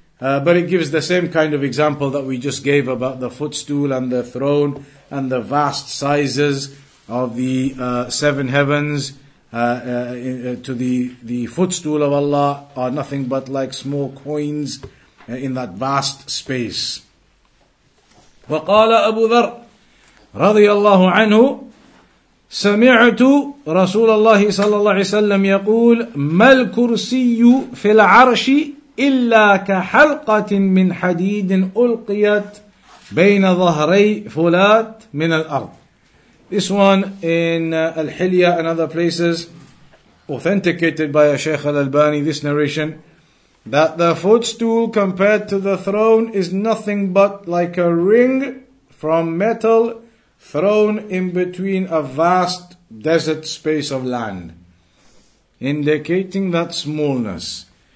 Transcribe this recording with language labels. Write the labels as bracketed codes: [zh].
[en] But it gives the same kind of example that we just gave about the footstool and the throne and the vast sizes of the seven heavens to the footstool of Allah are nothing but like small coins in that vast space. [ar] وَقَالَ أَبُو ذَرْ رَضِيَ اللَّهُ عَنْهُ سمعت رسول الله صلى الله عليه وسلم يقول ما الكرسي في العرش إلا كحلقة من حديد ألقيت بين ظهري فلات من الأرض. [en] This one in Al-Hilya and other places, authenticated by a Shaykh Al-Albani, this narration, that the footstool compared to the throne is nothing but like a ring from metal thrown in between a vast desert space of land, indicating that smallness.